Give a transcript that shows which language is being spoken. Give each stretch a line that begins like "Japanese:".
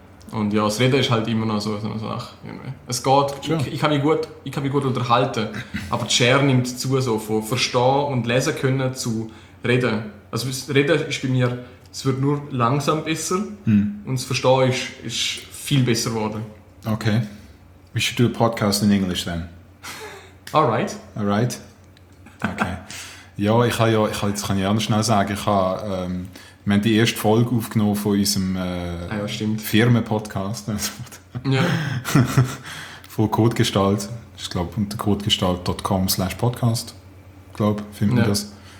German: Und ja, das Reden ist halt immer noch so ach, irgendwie. Es geht, ich kann mich gut unterhalten, aber die Schere nimmt zu, so von Verstehen und Lesen können zu Reden. Also das Reden ist bei mir, es wird nur langsam besser und das Verstehen ist viel besser geworden.
English: Okay. We should do a podcast in English then. Alright. Okay.
German: Ich kann auch noch schnell sagen, wir haben die erste Folge aufgenommen von unserem Firmen-Podcast. Ja. Von Codegestalt. Ich glaube, unter codegestalt.com/podcast. Findet man das.